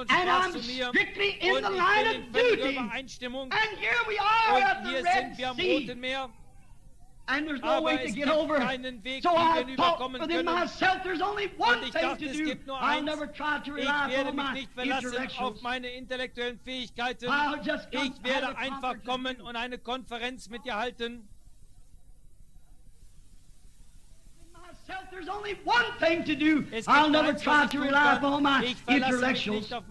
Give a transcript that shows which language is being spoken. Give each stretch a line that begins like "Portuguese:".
English: I'm strictly in the line of duty. And here we are at the Red Sea. And there's no way to get over. So I thought within myself there's only one thing to do. I'll never try to rely on my intellectual abilities. I'll just come.
German: Ich werde einfach kommen und eine Konferenz mit dir halten.
English: There's only one thing to do. I'll never try to rely upon my intellectuals.